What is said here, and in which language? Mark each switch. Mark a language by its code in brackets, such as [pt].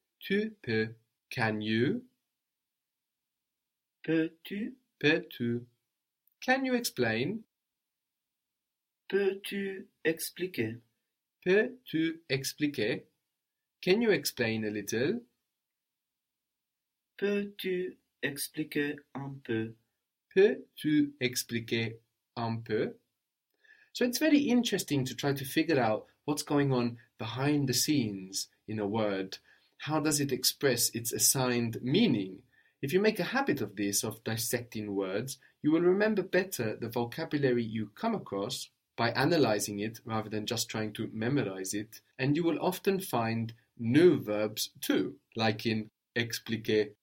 [fr] Tu peux, [en] can you? [fr] Peux-tu? Peux-tu? [en] Can you explain? [fr] Peux-tu expliquer? Peux-tu expliquer? [en] Can you explain a little? [fr] Peux-tu expliquer un peu? Peux-tu expliquer un peu? [en] So it's very interesting to try to figure out what's going on behind the scenes in a word. How does it express its assigned meaning? If you make a habit of this, of dissecting words, you will remember better the vocabulary you come across by analyzing it rather than just trying to memorize it, and you will often find new verbs too, like in expliquer,